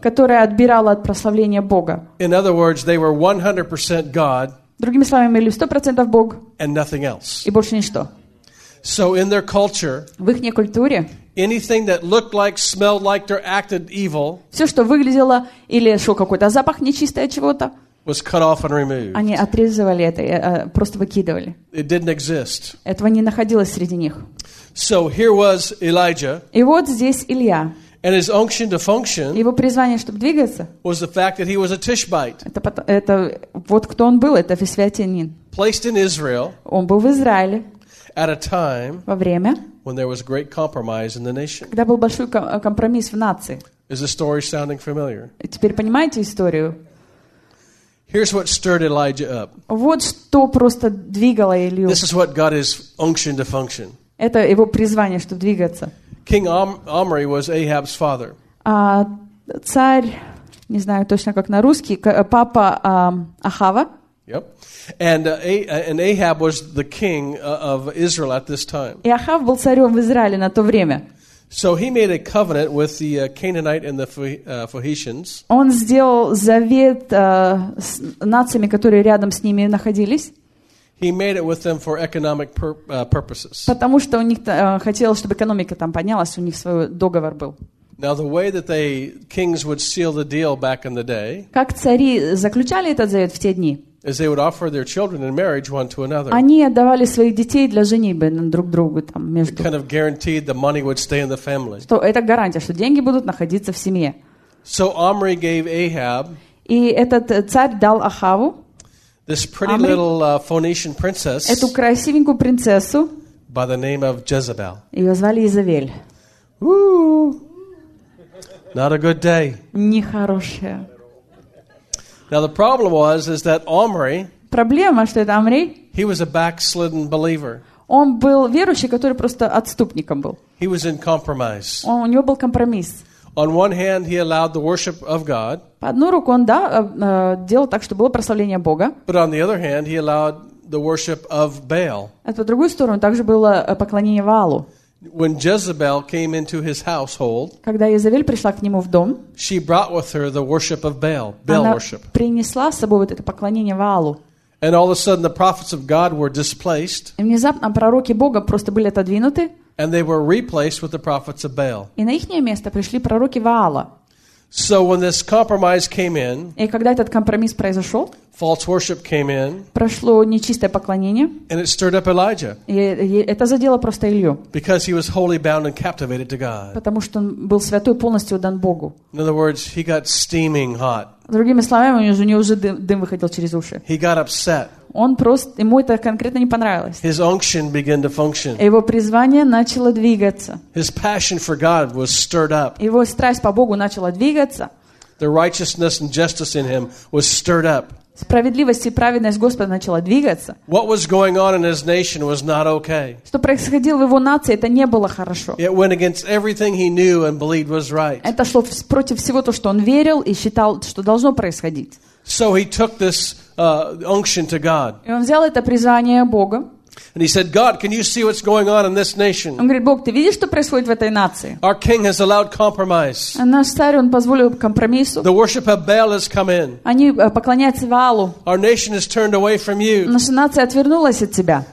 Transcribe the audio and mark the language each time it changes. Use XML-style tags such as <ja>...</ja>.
<ru>Которое отбирало от прославления Бога.</ru> <en>In other words, they were 100% God.</en> <ru>Другими словами, были 100% Бог.</ru> <en>And nothing else.</en> <ru>И больше ничто.</ru> <en>So in their culture,</en> <ru>в ихней культуре,</ru> <en>anything that looked like, smelled like, or acted evil,</en> <ru>все, что выглядело или шел какой-то запах нечистый от чего-то,</ru> <en>was cut off and removed.</en> <ru>Они отрезывали это, просто выкидывали.</ru> <en>It didn't exist.</en> <ru>Этого не находилось среди них.</ru> <en>So here was Elijah.</en> <ru>И вот здесь Илья.</ru> <en>And his unction to function,</en> <ru>его призвание, чтобы двигаться,</ru> <en>was the fact that he was a Tishbite.</en> <ru>Это вот кто он был, это фесвитянин.</ru> <en>Placed in Israel.</en> <ru>Он был в Израиле.</ru> <en>At a time</en> <ru>во время,</ru> <en>when there was great compromise in the nation.</en> <ru>Когда был большой компромисс в нации.</ru> <en>Is the story sounding familiar?</en> <ru>Теперь понимаете историю?</ru> <en>Here's what stirred Elijah up.</en> <ru>Вот что просто двигало Илью.</ru> <en>This is what got his unction to function.</en> <ru>Это его призвание, чтобы двигаться.</ru> <en>King Omri was Ahab's father.</en> <ru>Царь, не знаю точно как на русский, папа Ахава.</ru> <en>Yep. And Ahab was the king of Israel at this time.</en> <ru>И Ахав был царем в Израиле на то время.</ru> <en>So he made a covenant with the Canaanite and the Phoenicians.</en> <ru>Он сделал завет с нациями, которые рядом с ними находились.</ru> <en>He made it with them for economic purposes.</en> <ru>Потому что у них хотелось, чтобы экономика там поднялась, у них свой договор был.</ru> <en>Now the way that they kings would seal the deal back in the day.</en> <ru>Как цари заключали этот завет в те дни?</ru> <en>As they would offer their children in marriage one to another.</en> <ru>Они отдавали своих детей для женитьбы друг другу там между.</ru> <en>Kind of guaranteed the money would stay in the family.</en> <ru>Что это гарантия, что деньги будут находиться в семье.</ru> <en>So Omri gave Ahab.</en> <ru>И этот царь дал Ахаву.</ru> <en>This pretty little Phoenician princess.</en> <ru>Эту красивенькую принцессу.</ru> <en>By the name of Jezebel.</en> <ru>Ее звали Изавель.</ru> <en>Woo! Not a good day.</en> <ru>Нехорошая.</ru> <en>Now the problem was is that Omri.</en> <ru>Проблема, что это Омри.</ru> <en>He was a backslidden believer.</en> <ru>Он был верующий, который просто отступником был.</ru> <en>He was in compromise.</en> <ru>У него был компромисс.</ru> <en>On one hand, he allowed the worship of God.</en> <ru>По одну руку он да делал так, чтобы было прославление Бога.</ru> <en>But on the other hand, he allowed the worship of Baal.</en> <ru>А по другую сторону также было поклонение Ваалу.</ru> <en>When Jezebel came into his household,</en> <ru>когда Изавель пришла к нему в дом,</ru> <en>she brought with her the worship of Baal, Baal worship.</en> <ru>Она принесла с собой вот это поклонение Ваалу.</ru> <en>And all of a sudden, the prophets of God were displaced.</en> <ru>И внезапно пророки Бога просто были отодвинуты.</ru> <en>And they were replaced with the prophets of Baal.</en> <ru>И на их место пришли пророки Ваала.</ru> <en>So when this compromise came in,</en> <ru>и когда этот компромисс произошел,</ru> <en>false worship came in,</en> <ru>прошло нечистое поклонение,</ru> <en>and it stirred up Elijah,</en> <ru>и это задело просто Илью,</ru> <en>because he was wholly bound and captivated to God,</en> <ru>потому что он был святой, полностью отдан Богу.</ru> <en>In other words, he got steaming hot.</en> <ru>Другими словами, у него уже дым выходил через уши.</ru> <en>He got upset.</en> <ru>Он просто, ему это конкретно не понравилось.</ru> <en>His unction began to function.</en> <ru>Его призвание начало двигаться.</ru> <en>His passion for God was stirred up.</en> <ru>Его страсть по Богу начала двигаться.</ru> <en>The righteousness and justice in him was stirred up.</en> <ru>Справедливость и праведность Господа начала двигаться.</ru> <en>What was going on in his nation was not okay.</en> <ru>Что происходило в его нации, это не было хорошо.</ru> <en>It went against everything he knew and believed was right.</en> <ru>Это шло против всего того, что он верил и считал, что должно происходить.</ru> <en>So he took this unction to God.</en> <ru>И он взял это призвание Бога.</ru> <en>And he said, God, can you see what's going on in this nation?</en> <ru>Он говорит, Бог, ты видишь, что происходит в этой нации?</ru> <en>Our king has allowed compromise.</en> <ru>Наш царь, он позволил компромиссу.</ru> <en>The worship of Baal has come in.</en> <ru>Они поклоняются Ваалу.</ru> <en>Our nation has turned away from you.</en> <ru>Наша нация отвернулась от тебя.</ru>